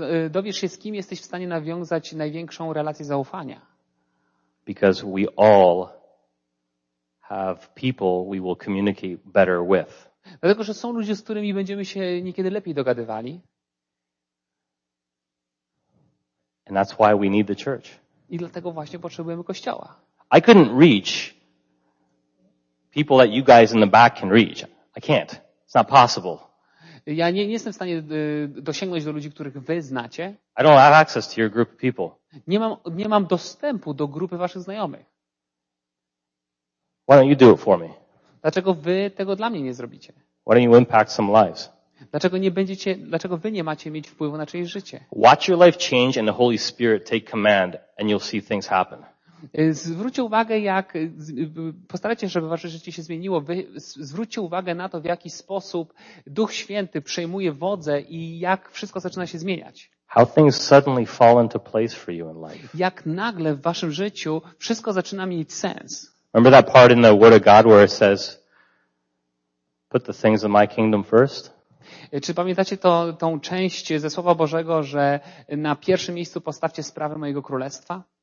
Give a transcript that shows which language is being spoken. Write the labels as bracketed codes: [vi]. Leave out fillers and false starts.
[pl] Dowiesz się, z kim jesteś w stanie nawiązać największą relację zaufania. [en] Because we all have people we will communicate better with. [pl] Dlatego, że są ludzie, z którymi będziemy się niekiedy lepiej dogadywali. [en] And that's why we need the church. [pl] I dlatego właśnie potrzebujemy kościoła. [en] I couldn't reach people that you guys in the back can reach. I can't. It's not possible. [pl] Ja nie jestem w stanie dosięgnąć do ludzi, których wy znacie. [en] I don't have access to your group of people. [pl] Nie mam dostępu do grupy waszych znajomych. [en] Why don't you do it for me? [pl] Dlaczego wy tego dla mnie nie zrobicie? [en] Why don't you impact some lives? [pl] Dlaczego wy nie macie mieć wpływu na czyjeś życie? [en] Watch your life change and the Holy Spirit take command and you'll see things happen. [pl] Zwróćcie uwagę, jak postarajcie się, żeby wasze życie się zmieniło. Zwróćcie uwagę na to, w jaki sposób Duch Święty przejmuje wodze i jak wszystko zaczyna się zmieniać. [en] How things suddenly fall into place for you in life. [pl] Jak nagle w waszym życiu wszystko zaczyna mieć sens. [en] Remember that part in the Word of God where it says, put the things of my kingdom first? [pl] Czy pamiętacie tą część ze Słowa Bożego, że na pierwszym miejscu postawcie sprawy mojego królestwa?